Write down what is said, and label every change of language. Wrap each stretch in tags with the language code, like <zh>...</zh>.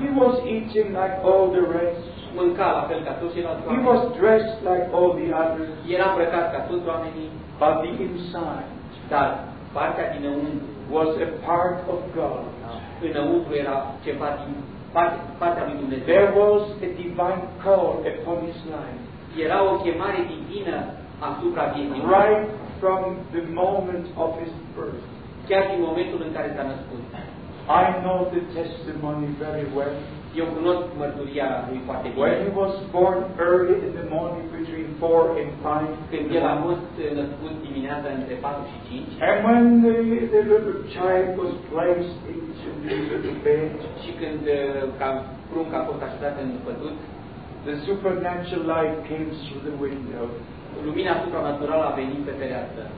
<en>He was eating like all the rest.</en> <ro>Mânca la fel ca toți ceilalți.</ro> <en>He was dressed like all the others.</en> <ro>Era îmbrăcat ca toți oamenii.</ro> <en>But the inside.</en> <ro>Dar partea dinăuntru.</ro> <en>Was a part of God.</en> <ro>Înăuntru era ceva din partea lui Dumnezeu.</ro> <en>There was a divine call upon his life.</en> <ro>Era o chemare divină.</ro> <en>Right from the moment of his birth.</en> <ro>Chiar din momentul în care s-a născut.</ro> <en>I know the testimony very well.</en> <ro>Eu cunosc mărturia lui foarte bine.</ro> <en>When he was born early in the morning between 4 and 5.</en> <ro>Când el a fost născut dimineața între 4 și 5.</ro> <en>And when the little child was placed into the little bed.</en> <ro>Și când prunca a fost așezat în pătut.</ro> <en>The supernatural light came through the window.</en> <ro>Lumina supranaturală a venit pe fereastră.</ro>